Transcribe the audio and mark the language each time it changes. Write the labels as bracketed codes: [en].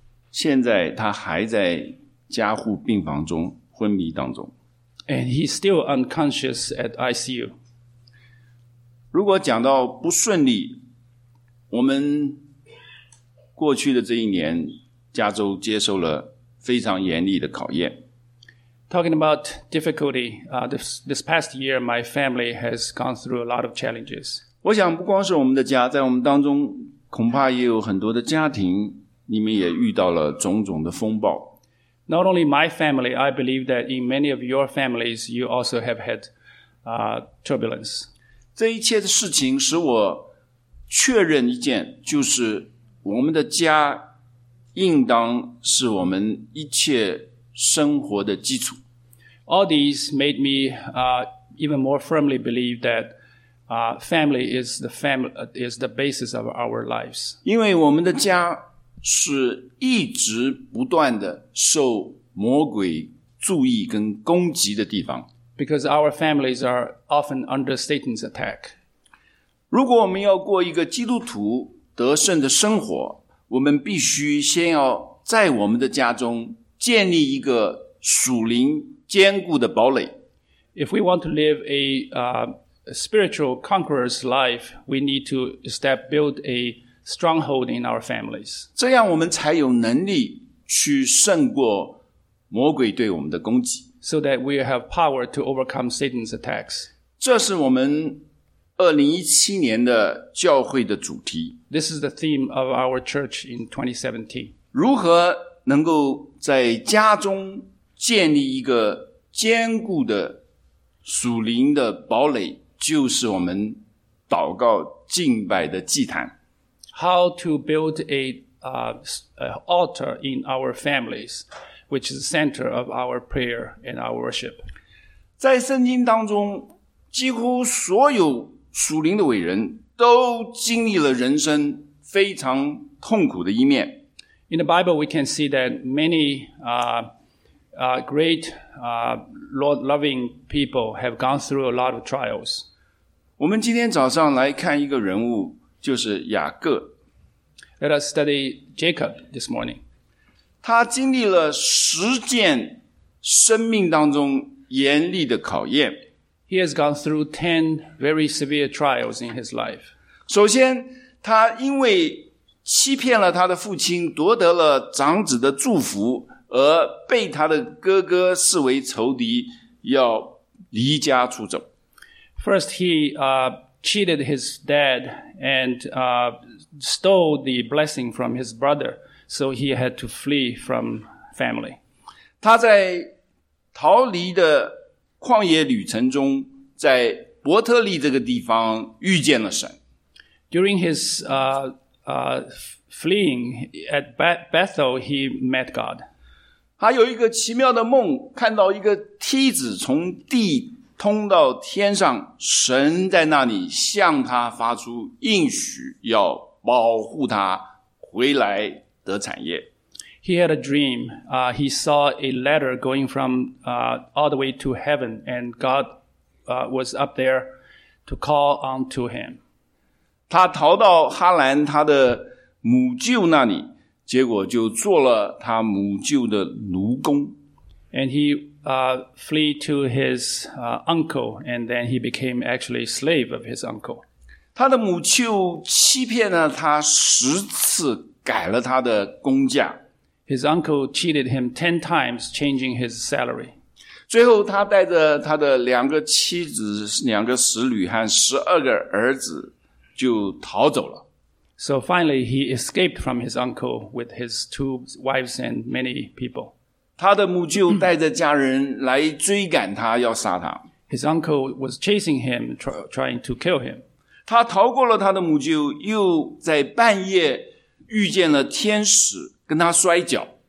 [zh] 现在他还在加护病房中昏迷当中。 [en] And he's still unconscious at ICU. [zh] 如果讲到不顺利，我们过去的这一年，加州接受了非常严厉的考验。 [en] Talking about difficulty, this past year, my family has gone through a lot of challenges. [zh] 我想不光是我们的家，在我们当中，恐怕也有很多的家庭，你们也遇到了种种的风暴。 [en] Not only my family, I believe that in many of your families, you also have had turbulence. [zh] 这一切的事情使我确认一件，就是我们的家应当是我们一切生活的基础。 [en] All these made me even more firmly believe that family is the basis of our lives. [zh] 因为我们的家是一直不断的受魔鬼注意跟攻击的地方。 [en] Because our families are often under Satan's attack. [zh] 如果我们要过一个基督徒得胜的生活，我们必须先要在我们的家中建立一个属灵坚固的堡垒。 [en] If we want to live a spiritual conqueror's life, we need to build a stronghold in our families. [zh] 这样我们才有能力去胜过魔鬼对我们的攻击。 [en] So that we have power to overcome Satan's attacks. [zh] 这是我们2017年的教会的主题。 [en] This is the theme of our church in 2017. [zh] 如何能够在家中建立一个坚固的属灵的堡垒，就是我们祷告敬拜的祭坛。 [en] How to build an altar in our families, which is the center of our prayer and our worship. [zh] 在圣经当中，几乎所有属灵的伟人都经历了人生非常痛苦的一面。 [en] In the Bible, we can see that many great Lord-loving people have gone through a lot of trials. [zh] 我们今天早上来看一个人物，就是雅各。 [en] Let us study Jacob this morning. [zh] 他经历了十件生命当中严厉的考验。 [en] He has gone through 10 very severe trials in his life. [zh] 首先，他因为欺骗了他的父亲，夺得了长子的祝福，而被他的哥哥视为仇敌，要离家出走。 [en] First, he cheated his dad and stole the blessing from his brother, so he had to flee from family. [zh] 他在逃离的旷野旅程中，在伯特利这个地方遇见了神。 [en] During his fleeing at Bethel, he met God. [zh] 他有一个奇妙的梦，看到一个梯子从地通到天上，神在那里向他发出应许，要保护他回来得产业。 [en] He had a dream. He saw a ladder going from all the way to heaven, and God was up there to call onto him. [zh] 他逃到哈兰他的母舅那里，结果就做了他母舅的奴工。 [en] And he flee to his uncle, and then he became actually slave of his uncle. [zh] 他的母舅欺骗了他十次，改了他的工价。 [en] His uncle cheated him 10 times, changing his salary. [zh] 最后他带着他的两个妻子、两个使女和12个儿子就逃走了。 [en] So finally, he escaped from his uncle with his two wives and many people. [zh] 他的母舅带着家人来追赶他，要杀他。 [en] His uncle was chasing him, trying to kill him. [zh] 他逃过了他的母舅，又在半夜遇见了天使，跟他摔跤。